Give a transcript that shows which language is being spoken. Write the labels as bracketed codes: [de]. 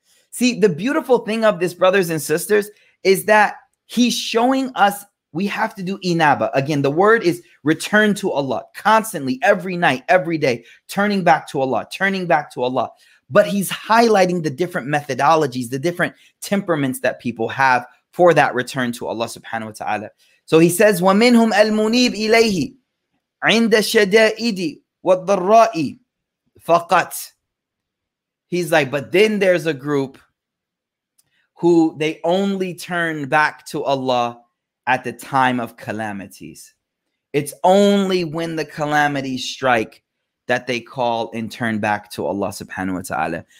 [en] See, the beautiful thing of this, brothers and sisters, is that he's showing us we have to do inaba. Again, the word is return to Allah constantly, every night, every day, turning back to Allah, turning back to Allah. But he's highlighting the different methodologies, the different temperaments that people have for that return to Allah subhanahu wa ta'ala. So he says, [ar] وَمِنْهُمْ الْمُنِيبِ إِلَيْهِ عِنْدَ الشَّدَائِدِ وَالضَّرَّاءِ فَقَطْ. [en] He's like, but then there's a group who they only turn back to Allah at the time of calamities. It's only when the calamities strike that they call and turn back to Allah subhanahu wa ta'ala.